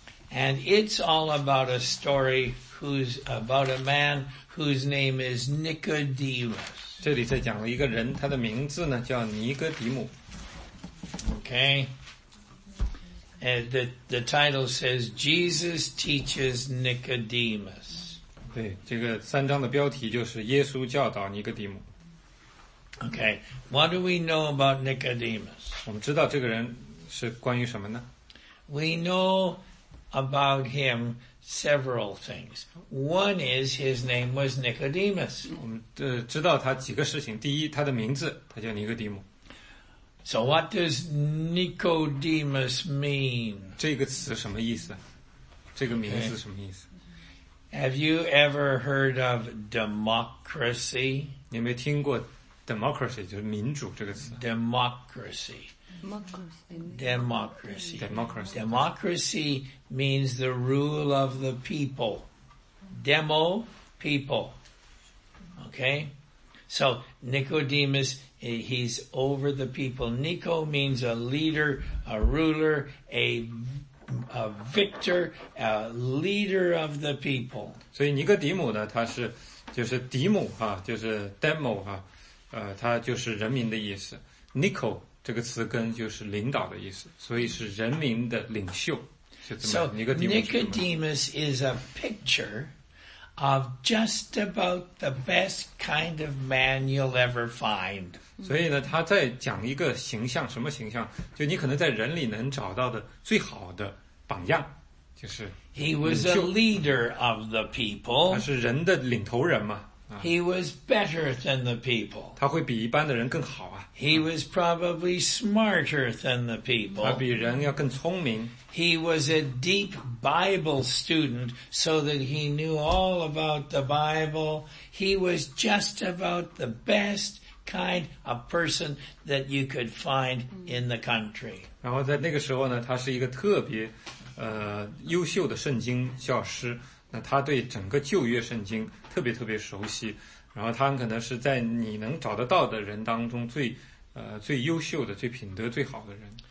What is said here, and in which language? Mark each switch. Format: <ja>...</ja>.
<en>And it's all about a story who's about a man whose name is Nicodemus.</en> <zh>这里在讲了一个人，他的名字呢叫尼哥底母。</zh> <en>Okay. And the title says Jesus teaches Nicodemus.</en> <zh>对，这个三章的标题就是耶稣教导尼哥底母。</zh> <en>Okay. What do we know about Nicodemus?</en> <zh>我们知道这个人是关于什么呢？</zh> <en>We know about him several things. One is his name was Nicodemus.</en> <zh>我们知道他几个事情。第一，他的名字，他叫尼哥底母。</zh> <en>So what does Nicodemus mean?</en> <zh>这个词什么意思？这个名字什么意思？</zh> <en>Okay. Have you ever heard of democracy?</en> <zh>你有没有听过 democracy 就是民主这个词？</zh> <en>Democracy. Democracy. Democracy. Democracy means the rule of the people. Demo, people. Okay? So, Nicodemus, he's over the people. Nico means a leader, a ruler, a victor, a leader of the people.</en> <zh>所以尼哥底母呢，他是就是底母哈，就是 demo 哈，他就是人民的意思。</zh> <en>Nico.</en> <zh>这个词根就是领导的意思，所以是人民的领袖。</zh> <en>So Nicodemus is a picture of just about the best kind of man you'll ever find.</en> <zh>所以呢，他在讲一个形象，什么形象？就你可能在人里能找到的最好的榜样，就是领袖。</zh> <en>He was a leader of the people.</en> <zh>他是人的领头人嘛。</zh> <en>He was better than the people.</en> <zh>他会比一般的人更好啊。</zh> <en>He was probably smarter than the people.</en> <zh>他比人要更聪明。</zh> <en>He was a deep Bible student so that he knew all about the Bible. He was just about the best kind of person that you could find in the country.</en> <zh>然后在那个时候呢，他是一个特别优秀的圣经教师。那他对整个旧约圣经特别特别熟悉，然后他可能是在你能找得到的人当中最优秀的、最品德最好的人。</zh>